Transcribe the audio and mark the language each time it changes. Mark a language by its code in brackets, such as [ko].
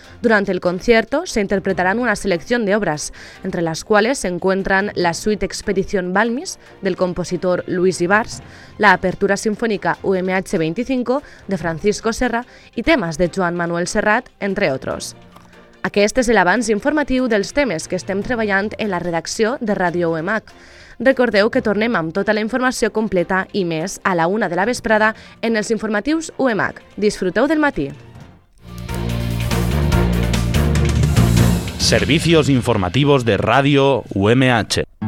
[es] Durante el concierto se interpretarán una selección de obras, entre las cuales se encuentran la suite Expedición Balmis del compositor Luis Ibars, la apertura sinfónica UMH 25 de Francisco Serra y temas de Joan Manuel Serrat, entre otros. [ca] Aquest és l'avanç informatiu dels temes que estem treballant en la redacció de Ràdio UMH. Recordeu que tornem amb tota la informació completa i més a la 1 de la vesprada en els informatius UMH. Disfruteu del matí. [es] Servicios informativos de Radio UMH.